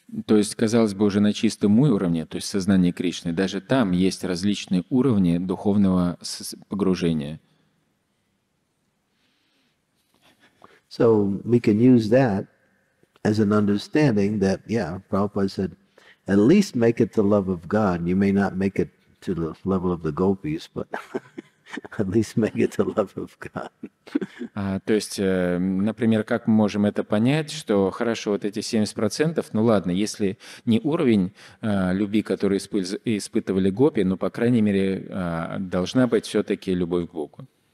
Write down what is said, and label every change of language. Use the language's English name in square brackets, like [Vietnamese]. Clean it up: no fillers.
[Russian] То есть, казалось бы, уже на чистом уровне, то есть сознание Кришны, даже там есть различные уровни духовного погружения. [English] So we can use that as an understanding that, yeah, Prabhupada said, at least make it the love of God. You may not make it to the level of the gopis, but at least make it the love of God. [Russian] То есть, например, как мы можем это понять, что хорошо, вот эти 70%, ну ладно, если не уровень любви, который испытывали гопи, но, по крайней мере, должна быть все-таки любовь к Богу.